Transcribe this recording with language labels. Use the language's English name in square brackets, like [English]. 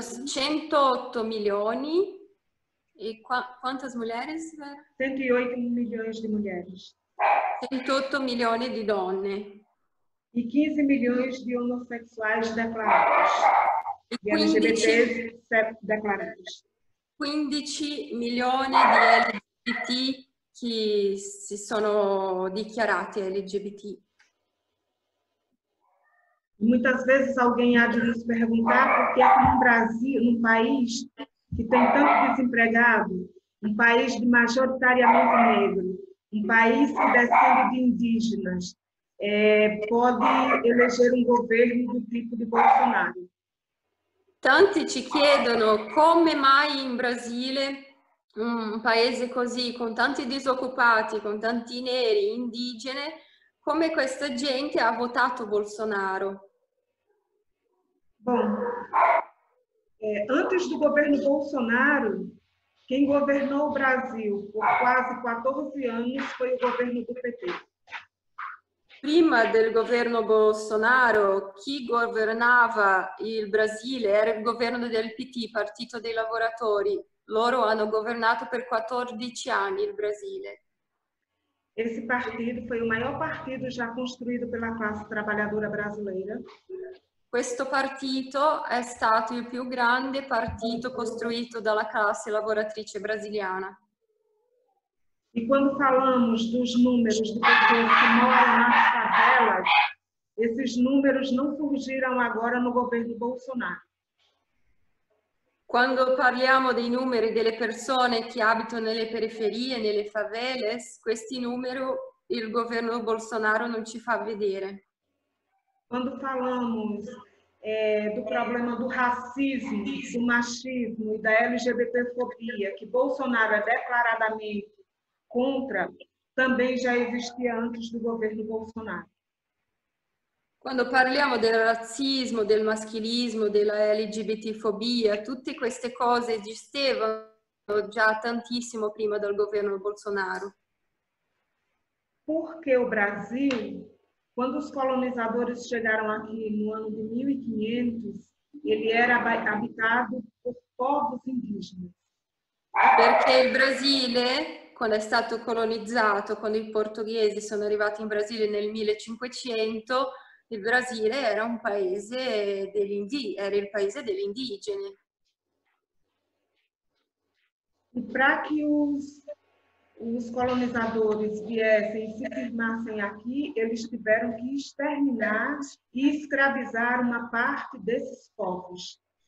[Portuguese] país. [Italian] 108 milioni e [Portuguese] quantas mulheres? 108 milhões de mulheres. [Italian] 108 milioni di donne. [Portuguese] E 15 milhões de homossexuais declarados. E E LGBTs declarados. [Italian] 15 milioni di LGBT che si sono dichiarati LGBT. [Portuguese] Muitas vezes alguém há de nos perguntar por que aqui no Brasil, num país que tem tanto desempregado, um país de majoritariamente negro, um país que descende de indígenas, pode eleger um governo do tipo de Bolsonaro? [Italian] Tanti ci chiedono come mai in Brasile, un paese così con tanti disoccupati, con tanti neri, indigene, come questa gente ha votato Bolsonaro. [Portuguese] Bom, antes do governo Bolsonaro, quem governou o Brasil por quase 14 anos foi o governo do PT. [Italian] Prima del governo Bolsonaro, chi governava il Brasile era il governo del PT, Partito dei Lavoratori. Loro hanno governato per 14 anni il Brasile. [Portuguese] Esse partido foi o maior partido já costruito pela classe trabalhadora brasileira. [Italian] Questo partito è stato il più grande partito costruito dalla classe lavoratrice brasiliana. [Portuguese] E quando falamos dos números de pessoas que moram nas favelas, esses números não surgiram agora no governo Bolsonaro. [Italian] Quando parliamo dei numeri delle persone che abitano nelle periferie, nelle favelas, questi numeri il governo Bolsonaro non ci fa vedere. [Portuguese] Quando falamos do problema do racismo, do machismo e da LGBTfobia, que Bolsonaro é declaradamente contra, também já existia antes do governo Bolsonaro. [Italian] Quando parliamo del razzismo, del maschilismo, della LGBTfobia, tutte queste cose esistevano già tantissimo prima del governo Bolsonaro. [Portuguese] Porque o Brasil, quando os colonizadores chegaram aqui no ano de 1500, ele era abitado por povos indígenas. [Italian] Perché il Brasile, quando è stato colonizzato, quando i portoghesi sono arrivati in Brasile nel 1500, il Brasile era un paese era il paese degli indigeni. [Portuguese] E para que os colonizadores viessem e se firmassem aqui, eles tiveram que exterminar e escravizar uma parte desses povos.